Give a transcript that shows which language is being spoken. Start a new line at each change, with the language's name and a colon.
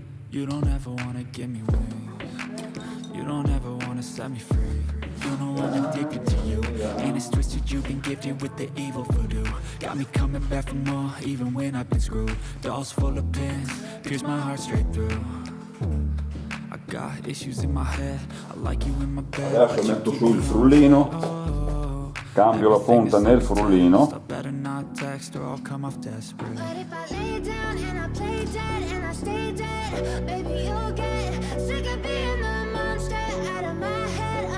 English: You don't ever wanna give me wings. You don't ever wanna set me free. You know I'm addicted to you. And it's twisted, you've been gifted with the evil voodoo. Got me coming back for more, even when I've been screwed. Dolls full of pins, pierce my heart straight through. I got issues in my head. I like you in my bed.
Italian: Adesso metto su il frullino. Cambio la punta nel frullino.
English: I better not text or I'll come off desperate. But if I lay down and I play dead and I stay dead, baby you'll get sick of being the monster out of my head.